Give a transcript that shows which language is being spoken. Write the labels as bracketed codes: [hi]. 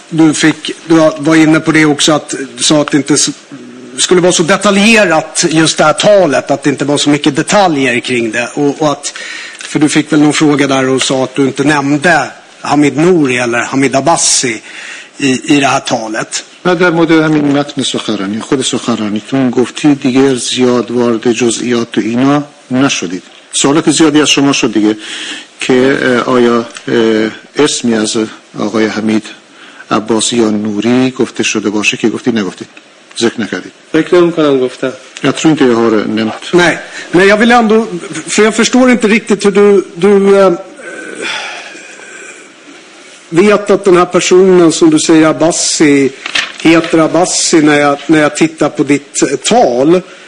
[sv] du var inne på det också, att du sa att det inte skulle vara så detaljerat just det här talet, att det inte var så mycket detaljer kring det, och att, för du fick väl någon fråga där och sa att du inte nämnde Hamid Nouri eller Hamid Abbasi i det här talet. [fa] من در مورد همین متن سخنرانی، خود سخنرانیتون گفتی دیگه زیاد وارد جزئیات و اینا نشدید. سوالات زیادی از شما شد دیگه که آیا اسمی از آقای حمید عباس یا نوری گفته شده باشه، که گفتی نگفتید، ذکر نکردید. فکر نمی‌کنم گفتم. [sv] Jag tror inte jag har nämnt. Nej, men jag vill ändå, för jag förstår inte riktigt hur du vet att den här personen som du säger Abbasi heter Abbasi när jag tittar på ditt tal.